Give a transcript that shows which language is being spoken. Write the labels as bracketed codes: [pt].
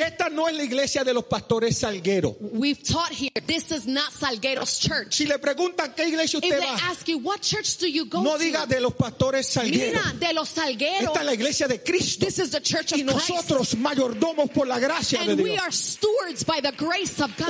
[es] esta no es la iglesia de los pastores Salguero. [en] We've taught here, this is not Salguero's church. [es] Si le preguntan qué iglesia usted va, [en] if they ask you what church do you go to, [es] no diga de los pastores Salguero. Mira, de los Salguero. Esta es la iglesia de Cristo. [en] This is the church of [es] Christ. Y nosotros mayordomos por la gracia de Dios. [en] And we are stewards by the grace of God.